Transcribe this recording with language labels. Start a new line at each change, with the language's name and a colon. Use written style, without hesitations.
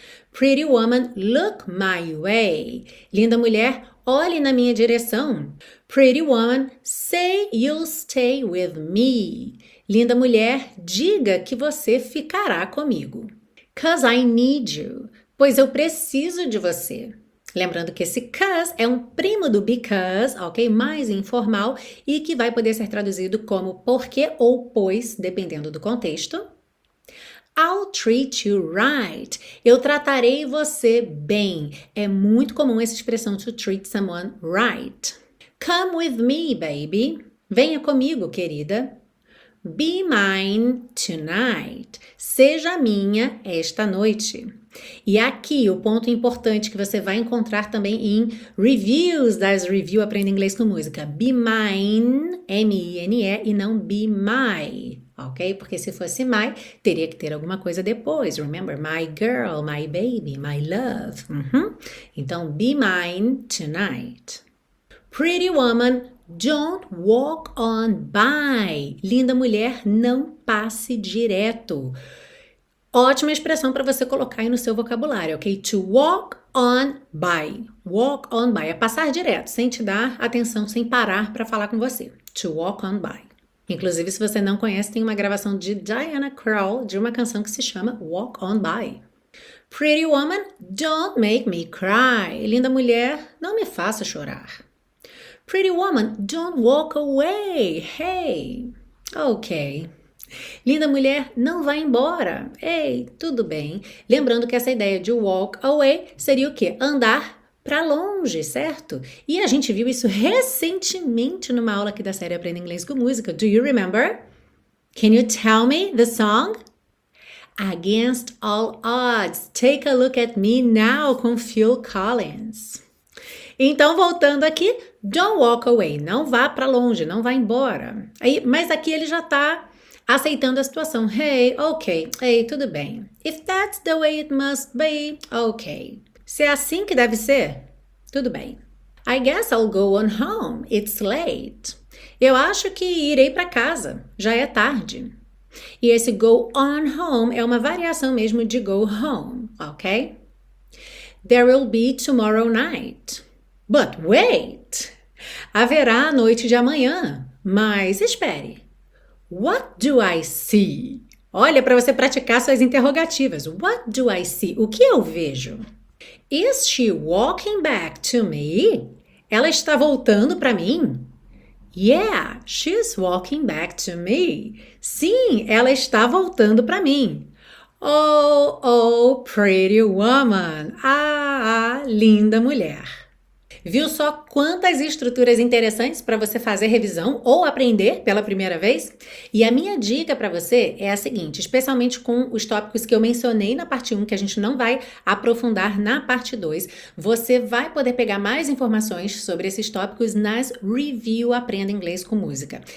English: Pretty woman, look my way.
Portuguese: Linda mulher, olhe na minha direção.
English: Pretty woman, say you'll stay with me.
Portuguese: Linda mulher, diga que você ficará comigo.
English: 'Cause I need you.
Portuguese: Pois eu preciso de você. Lembrando que esse 'cause é um primo do because, ok? Mais informal e que vai poder ser traduzido como porque ou pois, dependendo do contexto.
English: I'll treat you right.
Portuguese: Eu tratarei você bem. É muito comum essa expressão
English: to treat someone right. Come with me, baby.
Portuguese: Venha comigo, querida.
English: Be mine tonight.
Portuguese: Seja minha esta noite. E aqui o ponto importante que você vai encontrar também em reviews das Review Aprenda Inglês com Música.
English: Be mine, M-I-N-E,
Portuguese: e não
English: be my. Ok?
Portuguese: Porque se fosse my, teria que ter alguma coisa depois.
English: Remember, my girl, my baby, my love. Então, be mine tonight. Pretty woman, don't walk on by.
Portuguese: Linda mulher, não passe direto. Ótima expressão para você colocar aí no seu vocabulário, ok?
English: To walk on by. Walk on by.
Portuguese: É passar direto, sem te dar atenção, sem parar para falar com você.
English: To walk on by.
Portuguese: Inclusive, se você não conhece, tem uma gravação de Diana Krall de uma canção que se chama Walk On By.
English: Pretty woman, don't make me cry.
Portuguese: Linda mulher, não me faça chorar.
English: Pretty woman, don't walk away. Hey, ok.
Portuguese: Linda mulher, não vá embora. Ei, hey, tudo bem. Lembrando que essa ideia de walk away seria o quê? Andar para longe, certo? E a gente viu isso recentemente numa aula aqui da série Aprenda Inglês com Música.
English: Do you remember? Can you tell me the song? Against All Odds, Take a Look at Me Now com Phil Collins.
Portuguese: Então, voltando aqui,
English: don't walk away,
Portuguese: não vá para longe, não vá embora. Aí, mas aqui ele já tá aceitando a situação.
English: Hey, ok, hey,
Portuguese: tudo bem.
English: If that's the way it must be, ok.
Portuguese: Se é assim que deve ser, tudo bem.
English: I guess I'll go on home. It's late.
Portuguese: Eu acho que irei para casa. Já é tarde. E esse go on home é uma variação mesmo de go home, ok?
English: There will be tomorrow night. But wait!
Portuguese: Haverá a noite de amanhã. Mas espere.
English: What do I see?
Portuguese: Olha para você praticar suas interrogativas.
English: What do I see?
Portuguese: O que eu vejo?
English: Is she walking back to me?
Portuguese: Ela está voltando para mim?
English: Yeah, she's walking back to me.
Portuguese: Sim, ela está voltando para mim.
English: Oh, pretty woman.
Portuguese: Ah, linda mulher. Viu só quantas estruturas interessantes para você fazer revisão ou aprender pela primeira vez? E a minha dica para você é a seguinte, especialmente com os tópicos que eu mencionei na parte 1, que a gente não vai aprofundar na parte 2, você vai poder pegar mais informações sobre esses tópicos nas Review Aprenda Inglês com Música.